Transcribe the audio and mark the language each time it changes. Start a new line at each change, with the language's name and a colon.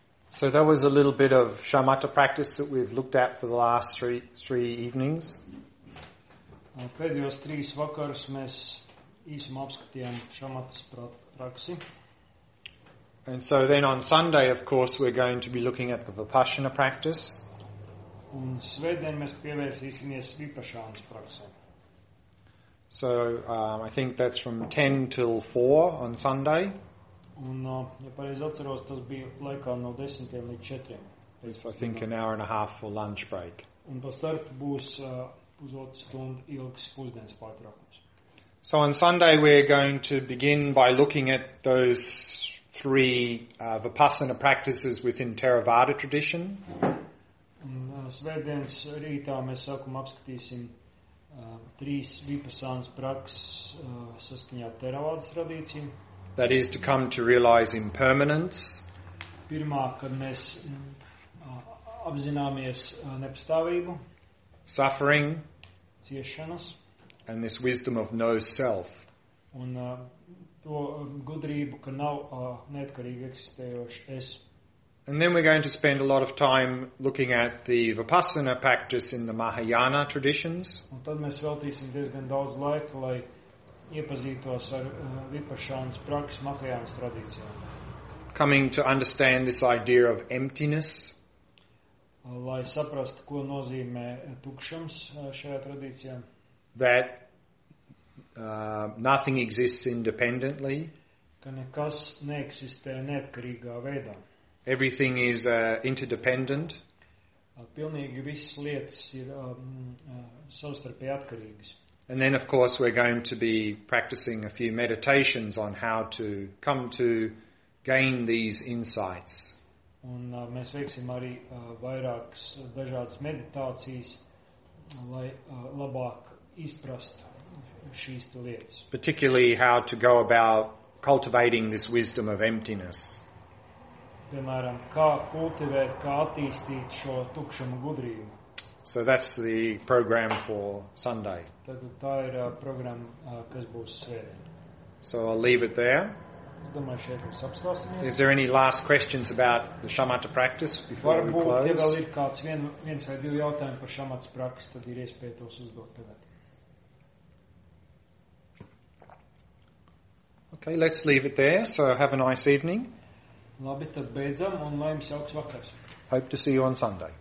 English: So that was a little bit of shamatha practice that we've looked at for the last three evenings.
Latvian: Pēdējos trīs vakaros mēs īsim apskatījām šamatas praksi.
English: And so then on Sunday, of course, we're going to be looking at the vipassana practice.
Latvian: Un svētdien mēs pievērsīsimies vipassanas praksē.
English: So I think that's from 10 till 4 on Sunday.
Latvian: Un, ja pareizi atceros, tas bija laikā no 10 līdz 4.
English: It's, I think, an hour and a half for lunch break.
Latvian: Un pa starp būs pusotru stundu ilgs pusdienas pārtraukums.
English: So on Sunday we're going to begin by looking at those three vipassana practices within Theravada tradition.
Latvian: Un svētdienas rītā mēs sākumā apskatīsim trīs vipassanas prakses saskaņā ar Theravādas tradīciju.
English: That is to come to realize impermanence.
Latvian: Pirmā, kad mēs apzināmies nepastāvību.
English: Suffering.
Latvian: Ciešanas.
English: And this wisdom of no self.
Latvian: Un to gudrību, ka nav neatkarīgi eksistējošs es.
English: And then we're going to spend a lot of time looking at the Vipassana practice in the Mahayana traditions.
Latvian: Un tad mēs veltīsim diezgan daudz laika, lai iepazītos ar vipassanas prakses Mahayana tradīcijā.
English: Coming to understand this idea of emptiness.
Latvian: Lai saprastu, ko nozīmē tukšums šajā tradīcijā.
English: That nothing exists independently.
Latvian: Ka nekas neeksistē neatkarīgā veidā.
English: Everything is interdependent.
Latvian: Pilnīgi visas lietas ir savstarpēji atkarīgas.
English: And then, of course, we're going to be practicing a few meditations on how to come to gain these insights.
Latvian: Un mēs veiksim arī vairākas dažādas meditācijas, lai labāk izprastu šīs lietas.
English: Particularly how to go about cultivating this wisdom of emptiness.
Latvian: Piemēram, kā kultivēt, kā attīstīt šo tukšumu gudrību.
English: So that's the program for Sunday.
Latvian: Tā ir program, kas būs svētdien.
English: So I'll leave it there.
Latvian: Es domāju, šeit mēs apstāsimies.
English: Is there any last questions about the shamatha practice before
Latvian: varbūt
English: we close?
Latvian: Varbūt, ja vēl ir kāds viens vai divi jautājumi par shamatha praksi, tad ir iespēja tos uzdot tagad.
English: Okay, let's leave it there. So have a nice evening.
Latvian: Labi, tas beidzam un lai jums jauks vakars.
English: Hope to see you on Sunday.